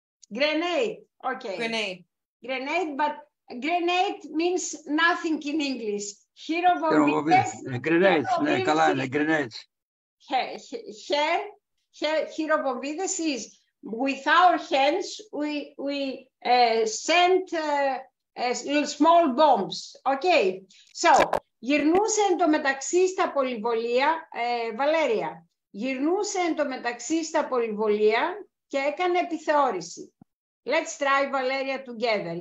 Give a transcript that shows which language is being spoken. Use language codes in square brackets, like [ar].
[en] but grenade means nothing in English. Hirobovides is with our hands we sent small bombs. Okay. [el] So, γυρνούσε εντωμεταξύ στα πολυβολία, Βαλέρια, γυρνούσε εντωμεταξύ στα πολυβολία και έκανε επιθεώρηση. [en] Let's try, Valeria, together.